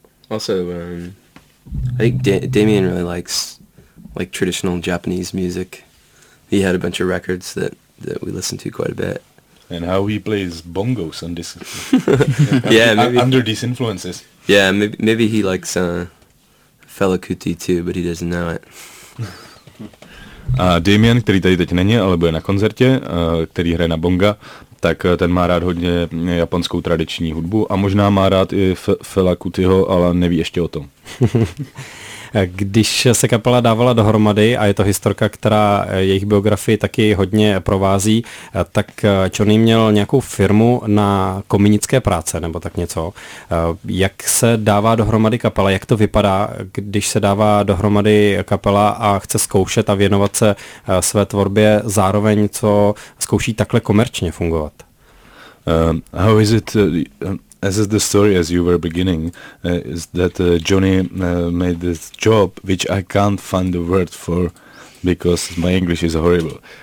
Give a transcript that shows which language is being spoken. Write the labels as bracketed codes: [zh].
[en] Also I think Damien really likes like traditional Japanese music. He had a bunch of records that we listened to quite a bit. And how he plays bongos on this. Yeah, maybe. Under these influences. Yeah, maybe he likes Fela Kuti too, but he doesn't know it. [cs] A Damien, který tady teď není, ale bude na koncertě, který hraje na bonga, tak ten má rád hodně japonskou tradiční hudbu a možná má rád i Fela Kutiho, ale neví ještě o tom. Když se kapela dávala dohromady a je to historka, která jejich biografii taky hodně provází, tak Johnny měl nějakou firmu na kominické práce nebo tak něco. Jak se dává dohromady kapela? Jak to vypadá, když se dává dohromady kapela a chce zkoušet a věnovat se své tvorbě zároveň, co zkouší takhle komerčně fungovat? [en] How is it... As is the story as you were beginning, is that Johnny made this job, which I can't find the word for, because my English is horrible.